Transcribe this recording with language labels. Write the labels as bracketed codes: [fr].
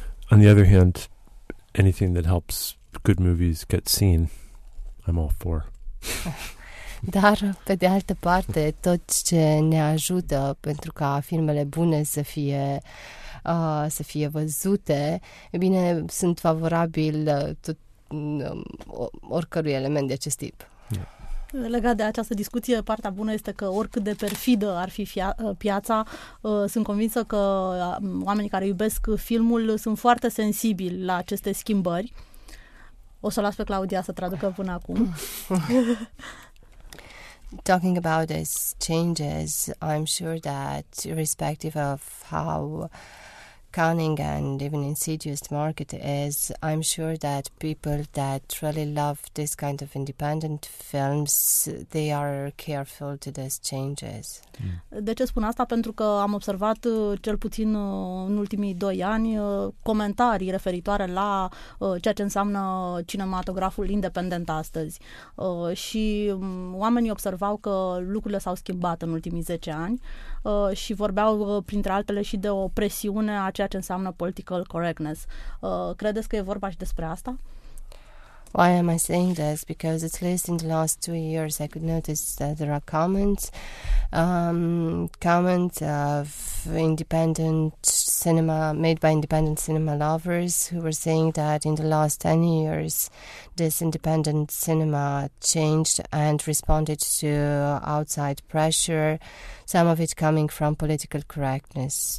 [en] On the other hand, anything that helps good movies get seen, I'm all for. [ro] Dar, pe de altă parte, tot ce ne ajută pentru ca filmele bune să fie, să fie văzute, e bine, sunt favorabil tot, oricărui element de acest tip. Legat de această discuție, partea bună este că oricât de perfidă ar fi piața, sunt convinsă că oamenii care iubesc filmul sunt foarte sensibili la aceste schimbări. O să las pe Claudia să traducă până acum. [en] Talking about these changes, I'm sure that irrespective of how cunning and even insidious the market is, I'm sure that people that really love this kind of independent films, they are careful to these changes. [ro] De ce spun asta? Pentru că am observat cel puțin în ultimii doi ani comentarii referitoare la ceea ce înseamnă cinematograful independent astăzi. Și oamenii observau că lucrurile s-au schimbat în ultimii 10 ani și vorbeau printre altele și de o presiune a ceea ce înseamnă political correctness. Credeți că e vorba și despre asta? [en] Why am I saying this? Because at least in the last 2 years I could notice that there are comments of independent cinema made by independent cinema lovers who were saying that in the last 10 years this independent cinema changed and responded to outside pressure, some of it coming from political correctness.